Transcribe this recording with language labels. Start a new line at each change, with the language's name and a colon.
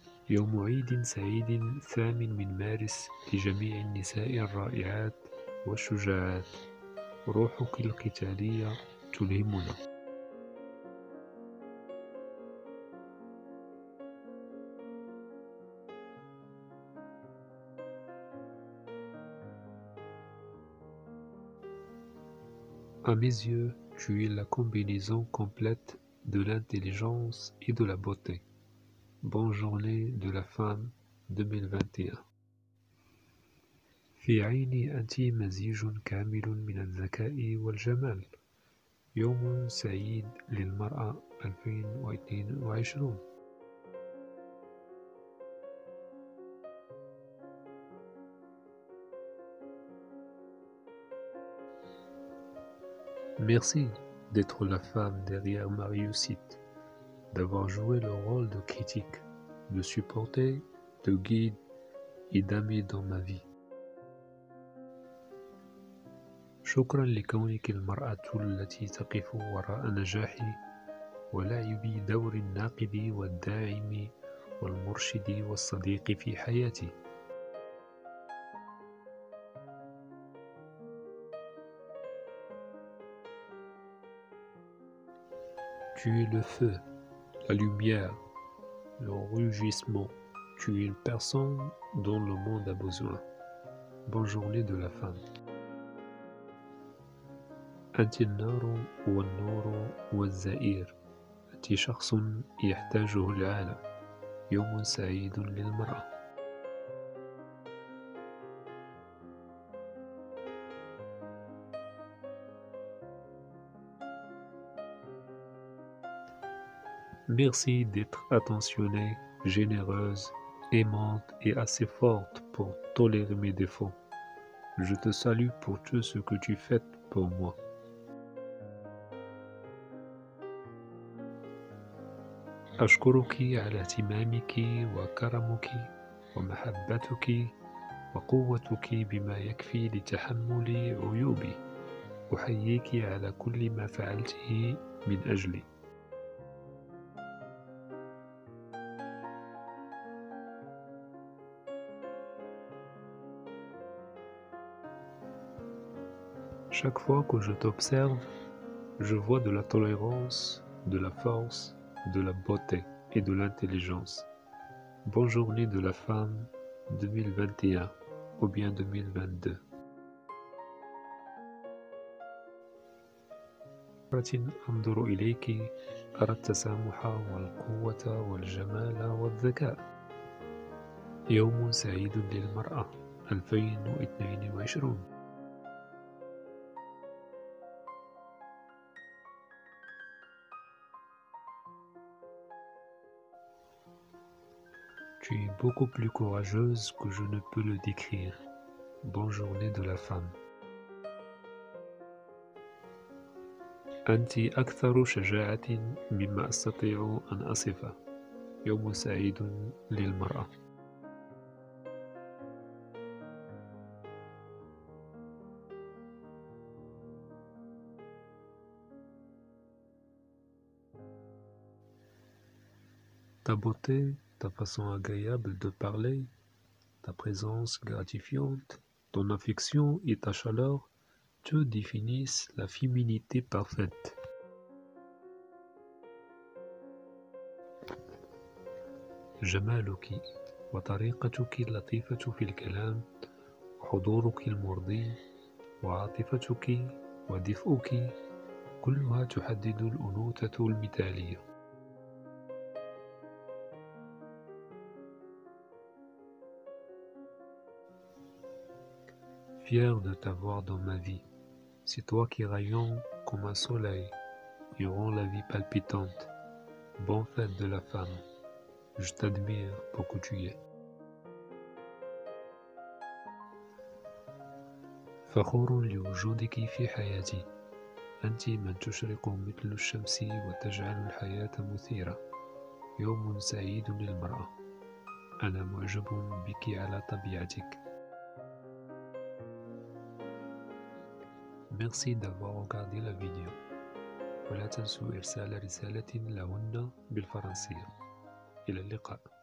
Arabic: يوم عيد سعيد ثامن من مارس لجميع النساء الرائعات والشجاعات روحك القتالية تلهمنا
French: À mes yeux, tu es la combinaison complète de l'intelligence et de la beauté. Bonne journée de la femme 2021.
Arabic: في عيني أنت مزيج كامل من الذكاء والجمال. يوم سعيد للمرأة 2022.
French: Merci d'être la femme derrière ma réussite, d'avoir joué le rôle de critique, de supporter, de guide et d'ami dans ma vie.
Arabic: شكرا لكونك المرأة التي تقف وراء نجاحي ولعبي دور الناقد والداعم والمرشد والصديق في حياتي.
French: Tu es le feu, la lumière, le rugissement. Tu es une personne dont le monde a besoin. Bonne journée de la femme.
Arabic: أنت النار والنور والزئير. أنت شخص يحتاجه العالم. يوم سعيد للمرأة.
French: Merci d'être attentionnée, généreuse, aimante et assez forte pour tolérer mes défauts. Je te salue pour tout ce que tu fais pour moi.
Arabic: أشكرك على اهتمامك وكرمك ومحبتك وقوتك بما يكفي لتحمل عيوبي. أحييك على كل ما فعلته من أجلي.
French: Chaque fois que je t'observe, je vois de la tolérance, de la force, de la beauté et de l'intelligence. Bonne journée de la femme 2021 ou bien 2022.
Arabic: انظر اليك ارى التسامح والقوه والجمال والذكاء. يوم سعيد للمراه 2022.
French: Tu es beaucoup plus courageuse que je ne peux le décrire. Bonne journée de la femme.
Arabic: أنت أكثر شجاعة مما أستطيع أن أصفه. يوم سعيد للمرأة.
French: Ta beauté, ta façon agréable de parler, ta présence gratifiante, ton affection et ta chaleur te définissent la féminité parfaite.
Arabic: جمالك وطريقتك اللطيفة في الكلام وحضورك المرضي وعاطفتك ودفئك كلها تحدد الأنوثة المثالية.
French: fier de t'avoir dans ma vie. C'est toi qui rayonnes comme un soleil et rends la vie palpitante. Bonne fête de la femme. Je t'admire pour que tu y es.
Arabic: فخور لوجودك في حياتي أنت من تشرق مثل الشمس وتجعل الحياة مثيرة يوم سعيد للمرأة أنا معجب بك على طبيعتك
French: Merci d'avoir regardé la vidéo
Arabic: ولا تنسوا إرسال رسالة لهن بالفرنسية إلى اللقاء